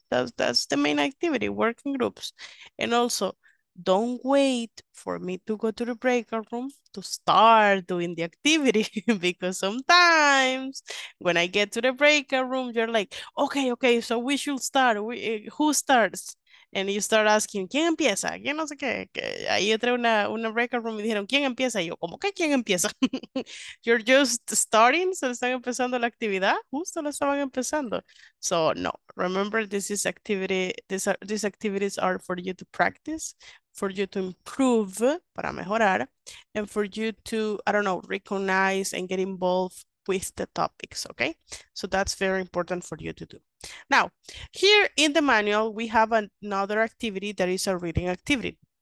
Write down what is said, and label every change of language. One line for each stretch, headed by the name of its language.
English: That's the main activity, work in groups. And also, don't wait for me to go to the breakout room to start doing the activity, because sometimes when I get to the breakout room, you're like, okay, okay, so we should start. Who starts? And you start asking,
Spanish: ¿quién empieza? ¿Quién no sé qué? Ahí entré una breakout room y dijeron, ¿quién empieza? Y yo, ¿cómo que quién empieza?
English: You're just starting,
Spanish: se están empezando la actividad, justo la estaban empezando.
English: So, no, remember this is activity, these activities are for you to practice, for you to improve,
Spanish: para mejorar,
English: and for you to, I don't know, recognize and get involved with the topics, okay? So that's very important for you to do. Now, here in the manual, we have another activity that is a reading activity.